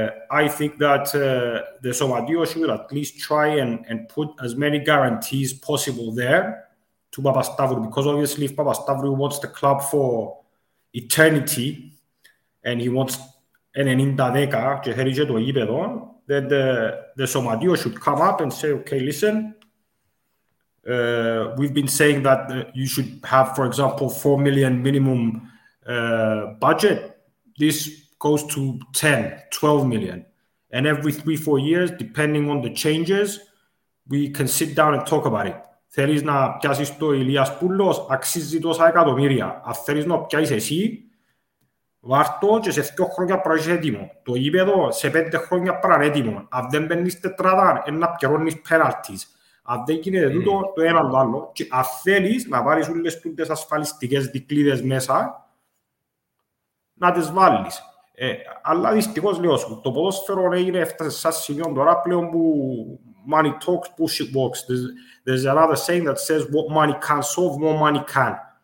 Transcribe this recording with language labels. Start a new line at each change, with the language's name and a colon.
English: I think that the Somadio should at least try and put as many guarantees possible there to Papastavrou, because obviously if Papastavrou wants the club for eternity and he wants an Indadeka, then the Somadio should come up and say, okay, listen, we've been saying that you should have, for example, 4 million minimum budget. This goes to 10, 12 million. And every 3-4 years, depending on the changes, we can sit down and talk about it.
Greek: Θέλεις να πιάσεις το Ηλίας Πούλος, αξίζει τόσα εκατομμύρια. Αν θέλεις να πιάσεις εσύ, βάρτο και σε 2 χρόνια πρέπει να είσαι έτοιμο. Το γήπεδο σε 5 χρόνια πρέπει να είσαι έτοιμο. Αν δεν παίρνεις τετράδα, να πληρώνεις πέναλτις. Αν δεν γίνεται τούτο, το ένα το άλλο. Και αν θέλεις να βάλεις όλες τις ασφαλιστικές δικλείδες μέσα, να τις βάλεις. Αλλά δυστυχώς λέω σου, το ποδόσφαιρο έγινε, έφτασε σαν σημείο τώρα πλέον που
English: money talks, bullshit walks. There's another saying that says what money can solve, more money can.